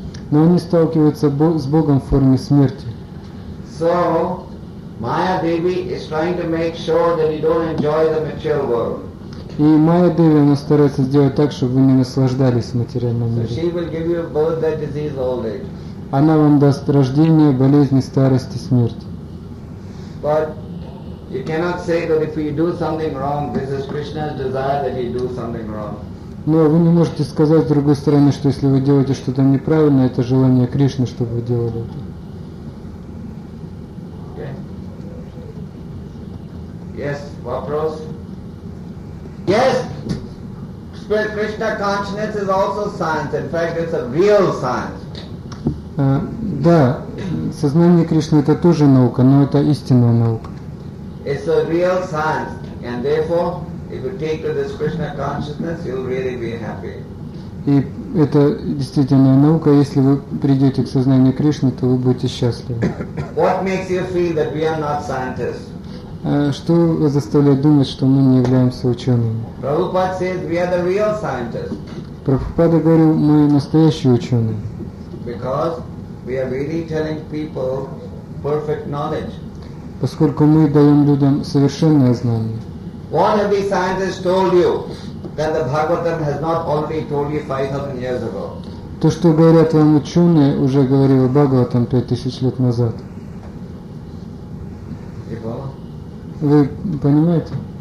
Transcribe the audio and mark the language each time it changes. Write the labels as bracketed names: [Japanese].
[Russian] Но они сталкиваются с Богом в форме смерти. [English] So, Maya Devi is trying to make sure that you don't enjoy the material world. [Russian] И Майя Деви, она старается сделать так, чтобы вы не наслаждались материальным миром. [English] So she will give you both that disease, old age. [Russian] Она вам даст рождение, болезни, старость и смерть. [English] But you cannot say that if you do something wrong, this is Krishna's desire that you do something wrong. [Russian] Но вы не можете сказать с другой стороны, что если вы делаете что-то неправильно, это желание Кришны, чтобы вы делали это. [English] Yes, [Russian] вопрос. [English] Yes, spirit Krishna consciousness is also science. In fact, it's a real science. [Russian] Да, сознание Кришны это тоже наука, но это истинная наука. [English] It's a real science, and therefore, if you take to this Krishna consciousness, you'll really be happy. [Russian] И это действительная наука. Если вы придете к сознанию Кришны, то вы будете счастливы. [English] What makes you feel that we are not scientists? [Russian] Что вас заставляет думать, что мы не являемся учеными? [English] Prabhupada says we are the real scientists. [Russian] Прабхупада говорил, мы настоящие ученые. [English] Because we are really telling people perfect knowledge. [Russian] Поскольку мы даем людям совершенное знание. [English] What have the scientists told you that the Bhagavatam has not already told you 5,000 years ago? [Russian] То, что говорят вам ученые, уже говорил Бхагаватам 5,000 лет назад. Вы понимаете?